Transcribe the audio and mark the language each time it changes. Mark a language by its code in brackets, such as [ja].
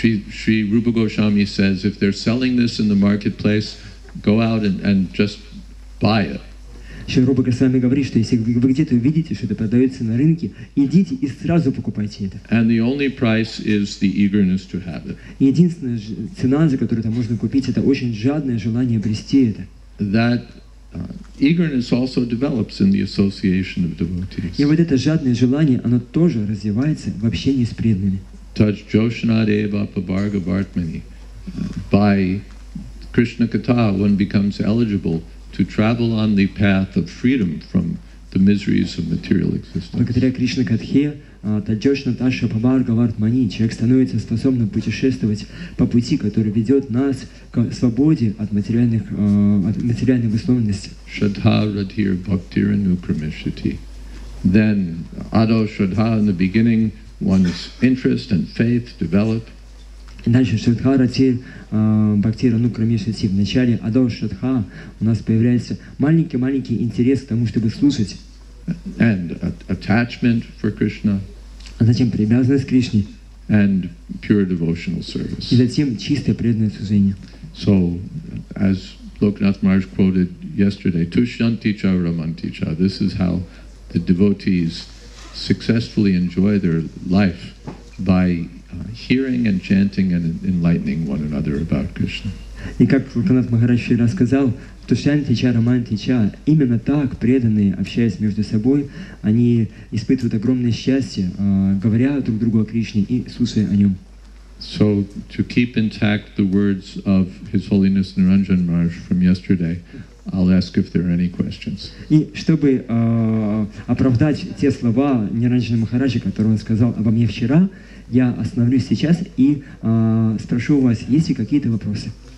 [en] Shri Rupa Goswami says, if they're selling this in the marketplace, go out and just buy it. [ru] Shri Rupa Goswami говорит, что если вы где-то увидите, что это продается на рынке, идите и сразу покупайте это. [en] And the only price is the eagerness to have it. [ru] И единственная цена, за которую это можно купить, это очень жадное желание обрести это. [en] That eagerness also develops in the association of devotees. [ru] И вот это жадное желание, оно тоже развивается в общении с преданными. [sa] Touch Joshnad Eva Pabarga Bartmani. [en] By Krishna Katha, one becomes eligible to travel on the path of freedom from the miseries of material existence. [ru] Благодаря Кришна Катхе, [sa] Таджошна Таша Пабарга Вартмани, [ru] человек становится способным путешествовать по пути, который ведет нас к свободе от материальных, от материальной высловности. [sa] Шадха Радхир Бхактира Нукрамишити. [en] Then, Адо Шадха in the beginning, one's interest and faith develop. [ru] И дальше [sa] Шадха Радхир Бхактира Нукрамишити. [ru] Вначале Адо Шадха у нас появляется маленький-маленький интерес к тому, чтобы слушать. [en] And attachment for Krishna. [ru] А затем привязанность к Кришне. [en] And pure devotional service. [ru] И затем чистое преданное служение. [en] So, as Loknath Maharaj quoted yesterday, [sa] Tushyanti cha ramanti cha. [en] This is how the devotees successfully enjoy their life by hearing and chanting and enlightening one another about Krishna. [ru] И как Вакханат Махарадж вчера сказал, [sa] Тушанти Ча, Романти Ча, [ru] именно так преданные, общаясь между собой, они испытывают огромное счастье, говоря друг другу о Кришне и слушая о нем. [en] So to keep intact the words of His Holiness Niranjan Maharaj from yesterday, I'll ask if there are any questions. [ru] И чтобы оправдать те слова Ниранджана Махараджа, которые он сказал обо мне вчера, я остановлюсь сейчас и спрошу у вас, есть ли какие-то вопросы?